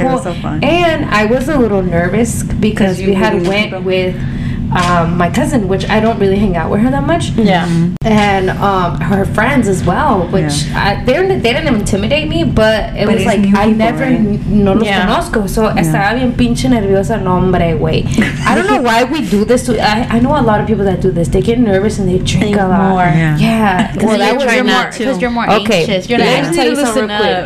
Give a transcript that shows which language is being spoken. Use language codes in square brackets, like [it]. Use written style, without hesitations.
[en] It was so fun. And I was a little nervous because we had went with... my cousin, which I don't really hang out with her that much. Yeah. And her friends as well, which they didn't intimidate me, but it was like, I never, [es] no los conozco. So, estaba bien pinche nerviosa, no hombre, güey. [en] I don't know why we do this. I know a lot of people that do this. They get nervous and they drink a lot. More. Yeah. Well, you're more anxious. Okay. You're like, let me tell you something real